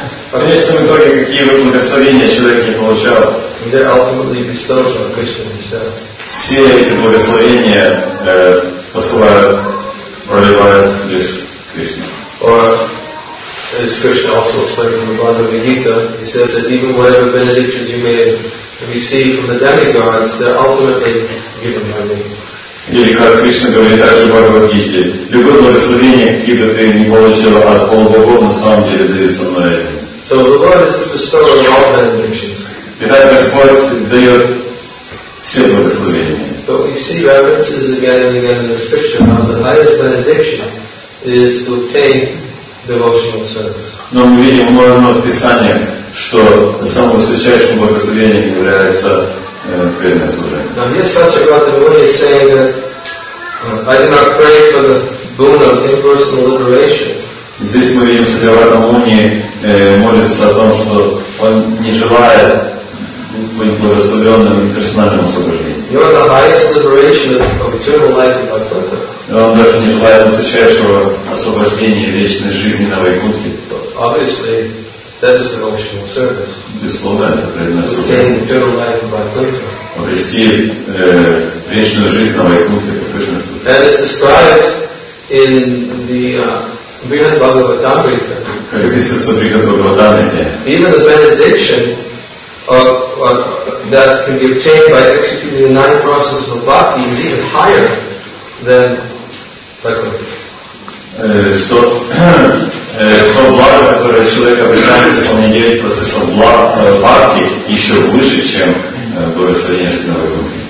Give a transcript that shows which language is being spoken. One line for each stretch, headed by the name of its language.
Russian: Конечно, в итоге какие бы благословения человек не получал.
English: They're ultimately bestowed on Krishna himself.
Russian: Все эти благословения проливают лишь Кришна.
English: Or as Krishna also explains in the Bhagavad Gita, he says that even whatever benedictions you may receive from the demigods, they're ultimately given by me.
Russian: Или как Кришна говорит также в Бхагавад-гите, любое благословение, какие бы ты ни получил от полубогов, на самом деле дается мной.
English: So the Lord is bestowing all benedictions.
Russian: Итак, Господь дает все благословения.
English: But we see references again and again in the scripture how the highest benediction is to obtain devotional service.
Russian: Но мы видим много в Писании, что самым высочайшим благословением является
English: Now here Satchakrata Muni is saying that I did not pray for the boon of impersonal liberation.
Russian: Здесь мы видим Satchakrata Muni молится о том, что он не желает быть благословенным персональным освобождением.
English: You are the highest liberation of eternal life in Vaikuntha.
Russian: Он даже не желает высочайшего освобождения вечной жизни на Вайкунте.
English: Obviously. That is devotional service.
Russian: Безусловно, это преданное служение. Обрести вечную жизнь на Вайкунте по Кришна.
English: That is described in the Brihad Bhagavatamrita.
Russian: Как описывается в Брихад Бхагаватамрите.
English: Even the benediction of that can be obtained by executing the nine processes of bhakti is even higher than Vaikuntha.
Russian: Что то благо, которое человек обретает исполнение 9 процессов бхакти, еще выше, чем благословение жизненного